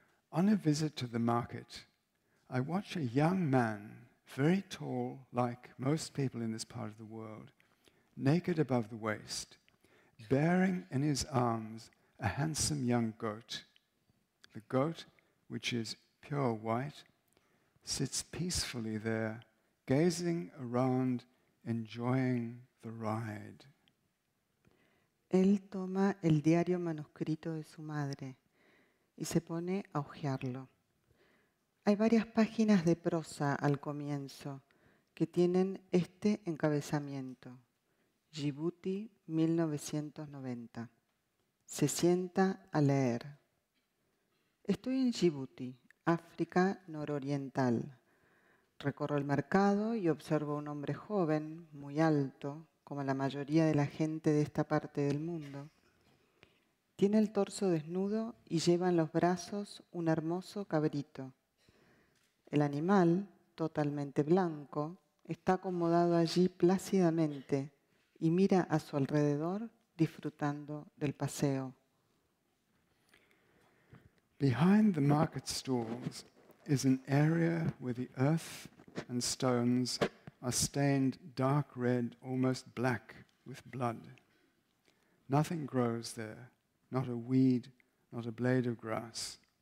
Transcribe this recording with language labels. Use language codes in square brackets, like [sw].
[en] On a visit to the market, I watch a young man, very tall, like most people in this part of the world, naked above the waist, bearing in his arms a handsome young goat. The goat, which is pure white, sits peacefully there, gazing around, enjoying the ride. [es] Él toma el diario manuscrito de su madre y se pone a hojearlo. Hay varias páginas de prosa al comienzo que tienen este encabezamiento. Djibouti, 1990. Se sienta a leer. Estoy en Djibouti, África nororiental. Recorro el mercado y observo a un hombre joven, muy alto, como la mayoría de la gente de esta parte del mundo. Tiene el torso desnudo y lleva en los brazos un hermoso cabrito. El animal, totalmente blanco, está acomodado allí plácidamente y mira a su alrededor disfrutando del paseo. [en] Behind the market stalls is an area where the earth and stones are stained dark red, almost black, with blood. Nothing grows there, not a weed, not a blade of grass.